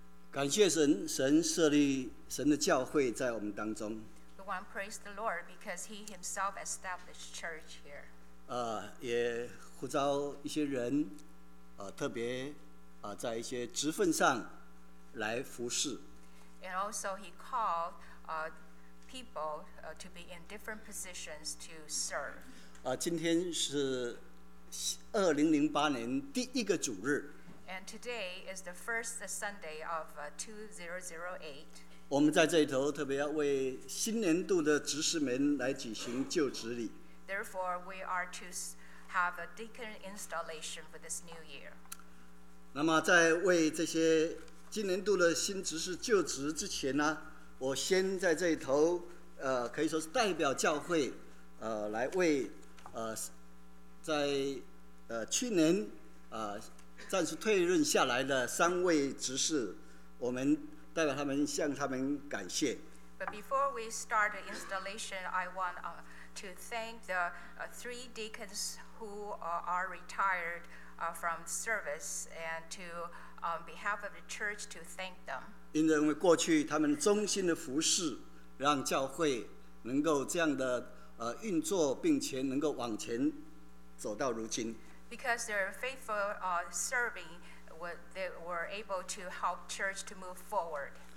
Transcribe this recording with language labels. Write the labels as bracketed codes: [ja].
[zh] 感谢神，神设立神的教会在我们当中。 [en] We want to praise the Lord because He Himself established church here. [zh] 也呼召一些人，特别在一些职分上来服侍。 [en] And also He called people to be in different positions to serve. [zh] 今天是2008年第一个主日。 [en] And today is the first Sunday of 2008. [zh] 我们在这里头特别要为新年度的执事们来举行就职礼。 [en] Therefore, we are to have a deacon installation for this new year. [zh] 那么在为这些今年度的新执事就职之前呢，我先在这里头，可以说是代表教会，来为，在，去年，暂时退任下来的三位执事，我们代表他们向他们感谢。 [en] But before we start the installation, I want to thank the three deacons who are retired from service, and to on behalf of the church to thank them. [zh] 因为过去他们忠心的服事，让教会能够这样的运作，并且能够往前走到如今。 [en] Because their faithful serving, they were able to help church to move forward.